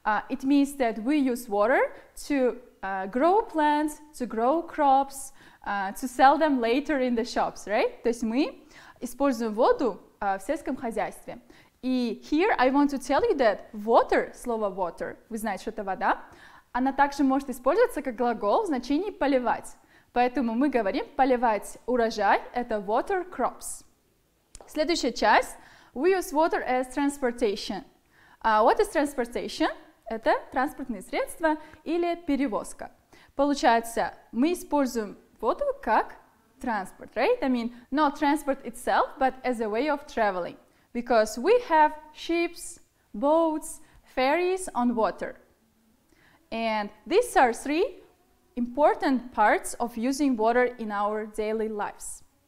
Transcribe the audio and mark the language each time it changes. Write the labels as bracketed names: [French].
[English] It means that we use water to grow plants, to grow crops, to sell them later in the shops, right? [Russian] То есть мы используем воду в сельском хозяйстве. И [English] here I want to tell you that water, [Russian] слово water, вы знаете, что это вода, она также может использоваться как глагол в значении поливать. Поэтому мы говорим поливать урожай, это [English] water crops. [Russian] Следующая часть, [English] we use water as transportation. What is transportation? [Russian] Это транспортные средства или перевозка. Получается, мы используем воду как транспорт, right? [English] I mean, not transport itself, but as a way of traveling. Because we have ships, boats, ferries on water. And these are three important parts of using water in our daily lives.